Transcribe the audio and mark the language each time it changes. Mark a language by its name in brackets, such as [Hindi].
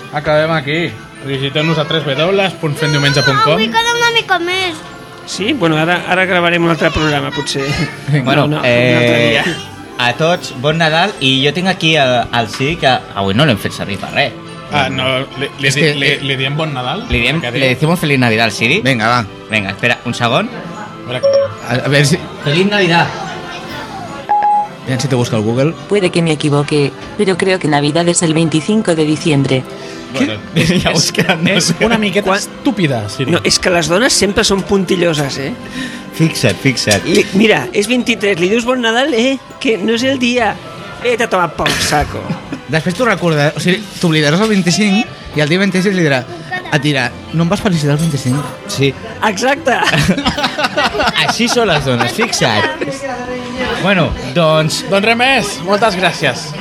[Catalan] Acabem aquí. Visiteu-nos a www.fendiumenge.com. Avui queda una mica més. Sí, bueno, ara gravarem un altre programa, potser. Bueno, a tots, bon Nadal. I jo tinc aquí el sí, que avui no l'hem fet servir per res. Ah, no, li diem bon Nadal. [Spanish] Le decimos feliz Navidad al Siri. Venga, va. [Catalan] Venga, espera, un segon. [Spanish] A ver si... Feliz Navidad. Vean si te busca el Google. Puede que me equivoque, pero creo que Navidad es el 25 de diciembre. Bueno, ya buscan. Es una miqueta estúpida, Siri. No, es que las donas siempre son puntillosas, ¿eh? [Catalan] Fixa't. Mira, es 23, li dius bon Nadal, ¿eh? [Spanish] Que no es el día. Vete a tomar por saco. [Catalan] Després t'ho recorda, o sigui, t'oblidaràs el 25 i el dia 26 li dirà, et dirà, no em vas felicitar el 25? Sí. Exacte. Així són les dones, fixa't. Bueno, doncs... Doncs res més, moltes gràcies.